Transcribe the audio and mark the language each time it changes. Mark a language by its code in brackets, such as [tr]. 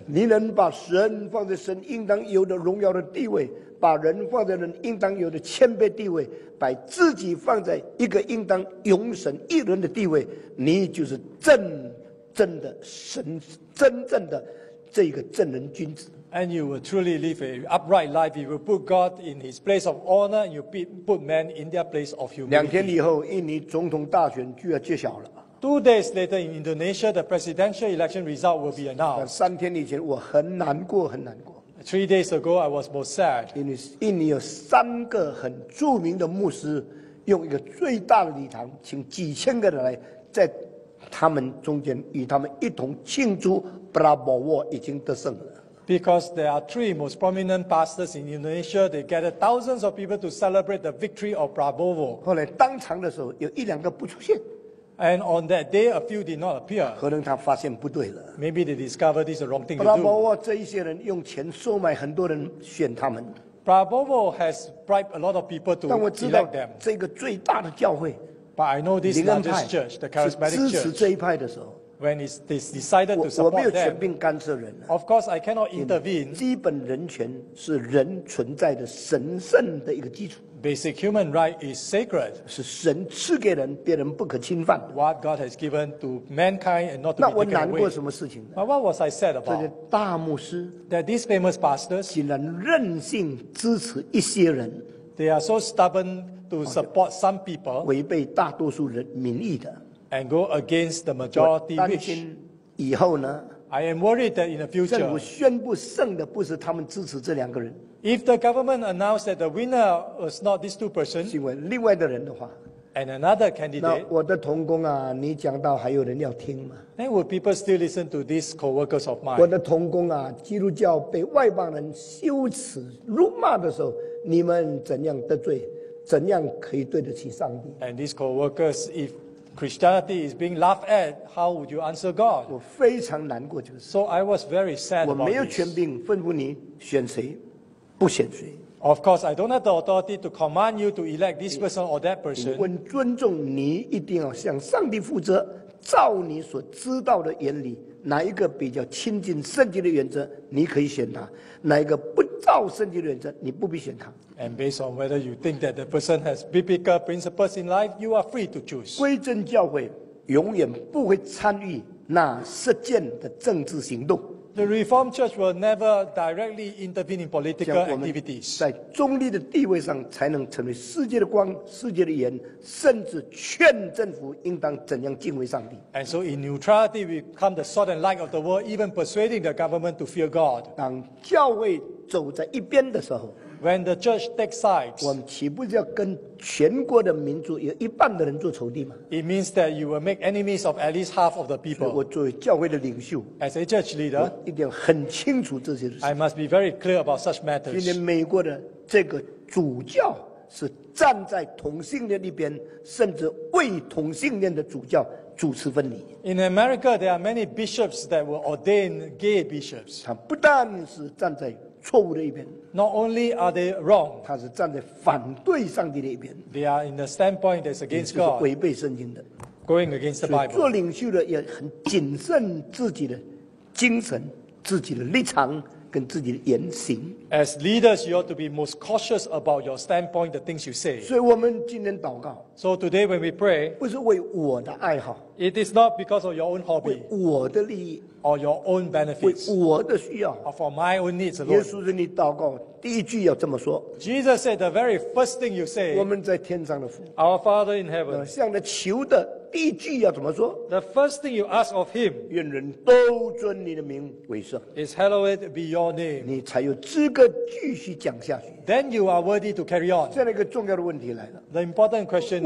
[zh] 你能把神放在神应当有的荣耀的地位。把人放在人应当有的谦卑地位，把自己放在一个应当永神一人的地位，你就是真正的神，真正的这个正人君子。 [en] And you will truly live an upright life. You will put God in His place of honor. You put man in their place of humility. [zh] 两天以后，印尼总统大选就要揭晓了。 [en] Two days later in Indonesia, the presidential election result will be announced. [zh] 三天以前，我很难过，很难过。 [en] Three days ago, I was most sad. [zh] 印尼有三个很著名的牧师，用一个最大的礼堂，请几千个人来，在他们中间与他们一同庆祝 Prabowo 已经得胜了。 [en] Because there are three most prominent pastors in Indonesia, they gathered thousands of people to celebrate the victory of Prabowo. [zh] 后来当场的时候，有一两个不出现。 [en] And on that day, a few did not appear. [zh] 可能他发现不对了。 [en] Maybe they discovered this is the wrong thing to do. [zh] Prabowo 这一些人用钱收买很多人选他们。 [en] Prabowo has bribed a lot of people to elect them. [zh] 但我知道这个最大的教会。 [en] But I know this largest church, the charismatic church. [zh] 支持这一派的时候。 [en] When it's decided to support them. [zh] 我没有权柄干涉人。 [en] Of course, I cannot intervene. [zh] 基本人权是人存在的神圣的一个基础。 [en] Basic human right is sacred. [zh] 是神赐给人，别人不可侵犯。 [en] What God has given to mankind and not to be taken away. [zh] 那我难过什么事情呢 [en] ？But what was I sad about? [zh] 这些大牧师 [en] ，that these famous pastors [zh] 竟然任性支持一些人。 [en] They are so stubborn to support some people. [zh] 违背大多数人民意的。 [en] And go against the majority wish. [zh] 我担心以后呢 [en] ？I am worried that in the future. [zh] 政府宣布胜的不是他们支持这两个人。 [en] If the government announced that the winner was not these two persons, [zh] 因为另外的人的话 [en] and another candidate, [zh] 那我的同工啊，你讲到还有人要听吗？ [en] Then would people still listen to these co-workers of mine? [zh] 我的同工啊，基督教被外邦人羞耻辱骂的时候，你们怎样得罪，怎样可以对得起上帝？ [en] And these co-workers, if Christianity is being laughed at, how would you answer God? [zh] 我非常难过，就是。 [en] So I was very sad about this. [zh] 我没有权柄吩咐你选谁。不选谁 [en] ？Of course, I don't have the authority to command you to elect this person or that person. [zh] 我尊重你，一定要向上帝负责，照你所知道的原理，哪一个比较亲近圣经的原则，你可以选他；哪一个不照圣经的原则，你不必选他。 [en] And based on whether you think that the person has biblical principles in life, you are free to choose. [zh] 归正教会永远不会参与那实践的政治行动。 [en] The Reformed Church will never directly intervene in political activities. [zh] 在中立的地位上才能成为世界的光、世界的盐，甚至劝政府应当怎样敬畏上帝。 [en] And so in neutrality, we become the salt and light of the world, even persuading the government to fear God. [zh] 当教会走在一边的时候， [en] When the church takes sides, [zh] 我们岂不是要跟全国的民族有一半的人做仇敌吗？ [en] It means that you will make enemies of at least half of the people. [zh] 我作为教会的领袖， [en] As a church leader, [zh] 我一定要很清楚这些事。 [en] I must be very clear about such matters. [zh] 今天美国的这个主教是站在同性恋那边，甚至为同性恋的主教主持婚礼。 [en] In America, there are many bishops that will ordain gay bishops. [zh] 他不但是站在错误的一边， [en] Not only are they wrong, [zh] 他是站在反对上帝的一边， [en] They are in the standpoint that's against God, [zh] 是违背圣经的， [en] Going against the Bible. [zh] 做领袖的也很谨慎自己的精神、自己的立场跟自己的言行。 [en] As leaders, you ought to be most cautious about your standpoint, the things you say. [zh] 所以我们今天祷告， [en] So today when we pray, [zh] 不是为我的爱好， [en] It is not because of your own hobby, [zh] 为我的利益， [en] or your own benefits, [zh] 为我的需要， [en] or for my own needs, Lord. [zh] 耶稣对你祷告第一句要这么说， [en] Jesus said the very first thing you say, [zh] 我们在天上的父， [en] our Father in heaven, [zh] 向着求的第一句要怎么说？ [en] The first thing you ask of him, [zh] 愿人都尊你的名为圣， [en] is hallowed be your name, [zh] 你才有资格继续讲下去， [en] then you are worthy to carry on. [zh] 这样一个重要的问题来了， [en] the important question is,